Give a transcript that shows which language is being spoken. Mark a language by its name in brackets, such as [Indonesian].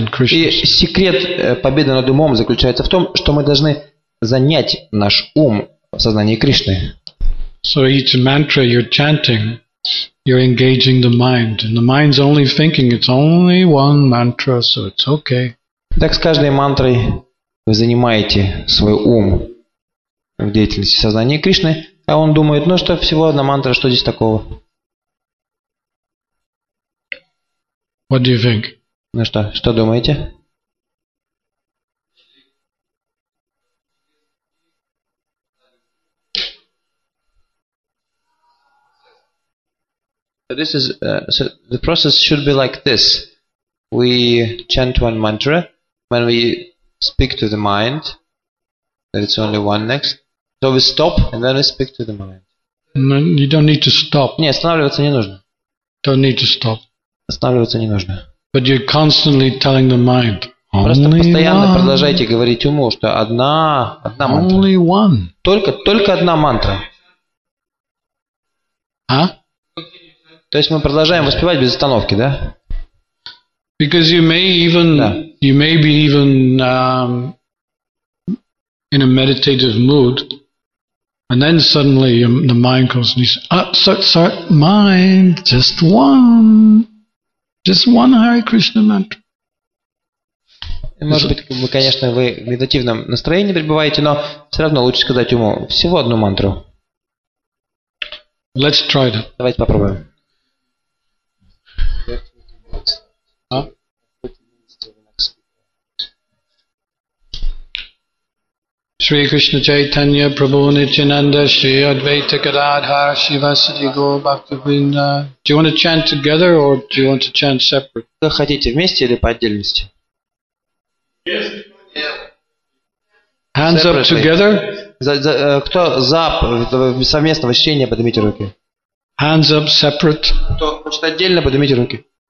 [Russian] И секрет победы над умом заключается в том, что мы должны занять наш ум в сознании Кришны. [English] So each mantra you're chanting, you're engaging the mind. And the mind's only thinking, it's only one mantra, so it's okay. [Russian] Так с каждой мантрой вы занимаете свой ум в деятельности сознания Кришны, а он думает, ну что, всего одна мантра, что здесь такого? [English] What do you think? [Russian] Ну что, что думаете? [English] So this is so the process should be like this. We chant one mantra. When we speak to the mind, that it's only one next. So we stop and then we speak to the mind. No, you don't need to stop. [Russian] Не, останавливаться не нужно. [English] Don't need to stop. [Russian] Останавливаться не нужно. [English] But you're constantly telling the mind. [Russian] Просто [English] only [Russian] постоянно [English] one. [Russian] Продолжайте говорить уму, что одна мантра. [English] Only one. [Russian] Только одна мантра. А? То есть мы продолжаем воспевать без остановки, да? [English] Because you may even, [Russian] да. [English] You may be even in a meditative mood, and then suddenly the mind comes and you say, sorry, mind, just one Hare Krishna mantra. [Russian] И может быть, вы, конечно, вы в медитативном настроении пребываете, но все равно лучше сказать ему всего одну мантру. [English] Let's try that. [Russian] Давайте попробуем. [Sanskrit] Shri Krishna Chaitanya Prabhu Nityananda Shri Advaita Gadadhar Shivasati Go Bhaktivinoda. [English] Do you want to chant together or do you want to chant separate? [Russian] Вы хотите вместе или по отдельности? [English] Yes. Yeah. Hands separately. Up together. [Russian] Кто за совместного чтения, поднимите руки. [English] Hands up separate. [Russian] Кто хочет отдельно, поднимите руки.